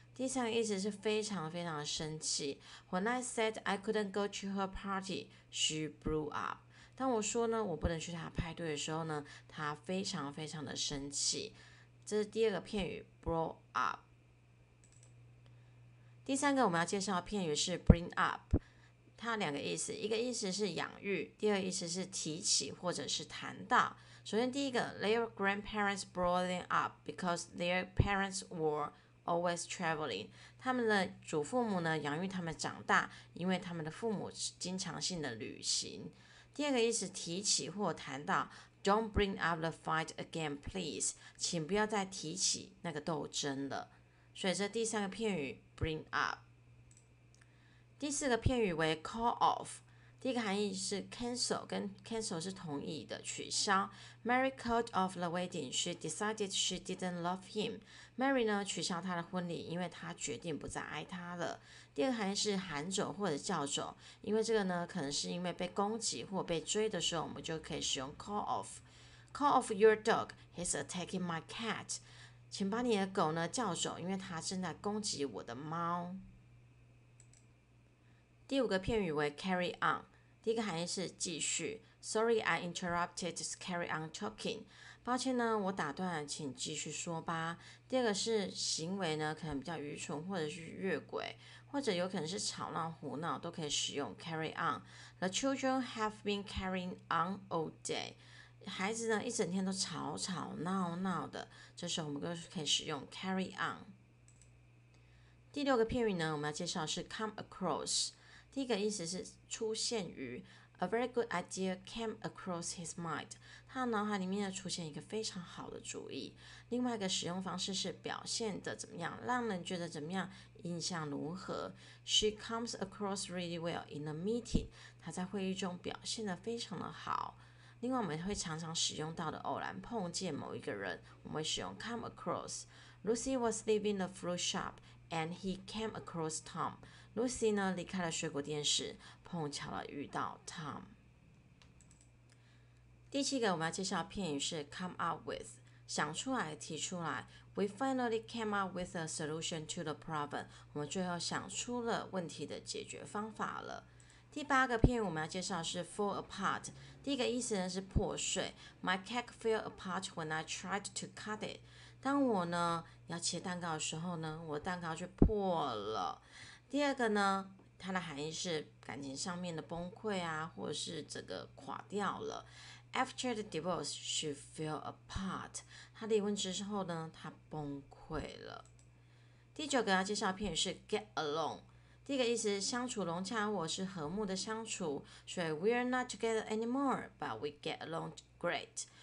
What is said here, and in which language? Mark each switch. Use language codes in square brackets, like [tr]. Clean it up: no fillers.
[zh] 第三个意思是非常非常生气 , [en] when I said I couldn't go to her party, she blew up, [zh] 当我说呢我不能去她派对的时候呢她非常非常的生气。这是第二个片语 ,blow up。第三个我们要介绍的片语是 bring up。它两个意思，一个意思是养育，第二个意思是提起或者是谈到。首先第一个 [en] ,their grandparents brought them up because their parents were always traveling. [zh] 他们的祖父母呢养育他们长大，因为他们的父母经常性的旅行。第二个意思提起或谈到 [en] ,don't bring up the fight again, please. [zh] 请不要再提起那个斗争了。所以这第三个片语 ,bring up。第四个片语为 call off, 第一个含义是 cancel, 跟 cancel 是同意的取消。 [en] Mary called off the wedding, she decided she didn't love him. [zh] Mary 呢取消她的婚礼，因为她决定不再爱她了。第二个含义是喊走或者叫走，因为这个呢可能是因为被攻击或被追的时候，我们就可以使用 call off。 [en] Call off your dog, he's attacking my cat. [zh] 请把你的狗呢叫走，因为他正在攻击我的猫。第五个片语为 carry on, 第一个含义是继续。 [en] Sorry, I interrupted, carry on talking. [zh] 抱歉呢，我打断了，请继续说吧。第二个是行为呢，可能比较愚蠢，或者是越轨，或者有可能是吵闹、胡闹，都可以使用 carry on. [en] The children have been carrying on all day. [zh] 孩子呢，一整天都吵吵闹闹的，这时候我们就可以使用 carry on. 第六个片语呢，我们要介绍是 come across. 第一个意思是出现于 , [en] a very good idea came across his mind, [zh] 他脑海里面出现一个非常好的主意。另外一个使用方式是表现的怎么样，让人觉得怎么样，印象如何。 [en] She comes across really well in a meeting, [zh] 他在会议中表现得非常的好。另外我们会常常使用到的偶然碰见某一个人，我们会使用 come across。 [en] Lucy was leaving the fruit shop,And he came across Tom. [zh] Lucy 呢离开了水果店时，碰巧了遇到 Tom. 第七个我们要介绍的片语是 come up with, 想出来提出来。 [en] We finally came up with a solution to the problem. [zh] 我们最后想出了问题的解决方法了。第八个片语我们要介绍的是 fall apart. 第一个意思呢是破碎。 [en] My cake fell apart when I tried to cut it. [zh] 当我呢要切蛋糕的时候呢，我蛋糕就破了。第二个呢，它的含义是感情上面的崩溃啊，或者是整个垮掉了。 [en] After the divorce, she fell apart. [zh] 她离婚之后呢，她崩溃了。第九个要介绍的片语是 get along。第一个意思是相处融洽，或是和睦的相处。所以 [en] we're not together anymore, but we get along great.